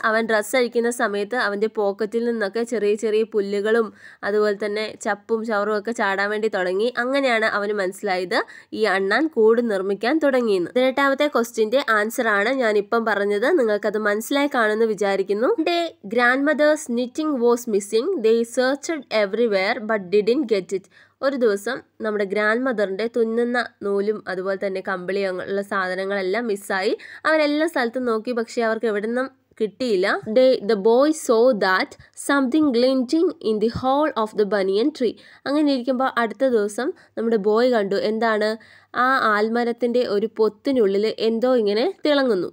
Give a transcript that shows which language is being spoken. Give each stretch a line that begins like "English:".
Malayalam: അവൻ ഡ്രസ്സ് അഴിക്കുന്ന സമയത്ത് അവൻ്റെ പോക്കറ്റിൽ നിന്നൊക്കെ ചെറിയ ചെറിയ പുല്ലുകളും അതുപോലെ തന്നെ ചപ്പും ചവറും ഒക്കെ ചാടാൻ വേണ്ടി തുടങ്ങി. അങ്ങനെയാണ് അവന് മനസ്സിലായത് ഈ അണ്ണാൻ കൂട് നിർമ്മിക്കാൻ തുടങ്ങിയെന്ന്. 18th ക്വസ്റ്റ്യൻ്റെ ആൻസറാണ് ഞാൻ ഇപ്പം പറഞ്ഞത്, നിങ്ങൾക്കത് മനസ്സിലായി കാണുമെന്ന് വിചാരിക്കുന്നു.
English: എൻ്റെ grandmother's knitting was missing. They searched everywhere but didn't get it.
Malayalam: ഒരു ദിവസം നമ്മുടെ ഗ്രാൻഡ് മദറിൻ്റെ തുന്നുന്ന നൂലും അതുപോലെ തന്നെ കമ്പിളിയുള്ള സാധനങ്ങളെല്ലാം മിസ്സായി. അവരെല്ലാ സ്ഥലത്തും നോക്കി, പക്ഷേ അവർക്ക് എവിടെ നിന്നും കിട്ടിയില്ല.
English: The boy saw that something glinting in the hole of the banyan tree.
Malayalam: അങ്ങനെ ഇരിക്കുമ്പോൾ അടുത്ത ദിവസം നമ്മുടെ ബോയ് കണ്ടു, എന്താണ് ആ ആൽമരത്തിൻ്റെ ഒരു പൊത്തിനുള്ളിൽ എന്തോ ഇങ്ങനെ തിളങ്ങുന്നു.